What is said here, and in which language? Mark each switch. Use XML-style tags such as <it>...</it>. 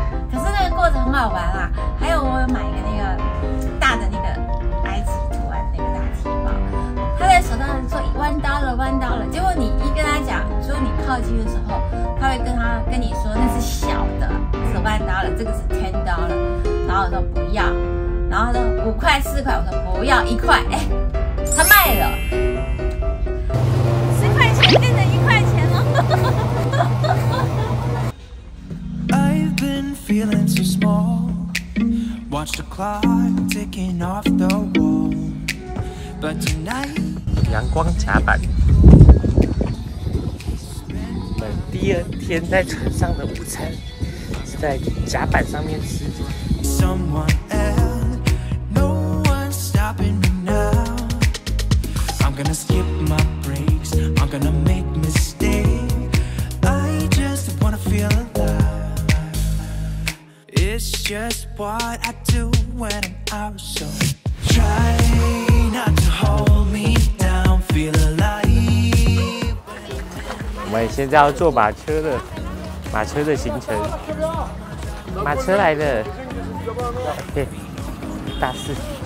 <zh>可是那个过程很好玩啦。还有我有买一个那个大的那个埃及图案那个大提包，他在手上说$1，$1，结果你一跟他讲，就是你靠近的时候，他会跟你说那是小的，是$1，这个是$10。然后我说不要，然后他说5块、4块，我说不要1块，哎。他卖了10块钱变成1块钱了。</zh> <en>I've been feeling so small. Watch the clock ticking off the wall. But tonight,</en> <zh>阳光甲板。我们第二天在船上的午餐是在甲板上面吃。</zh> <en>Someone else, no one's stopping me now. I'm gonna skip my breaks, I'm gonna make mistakes, I just wanna feel alive, it's just what I do when I'm out, so try not to hold me down, feel alive.</en> <zh>我们现在要坐马车了，马车的行程，马车来了，大四。</zh>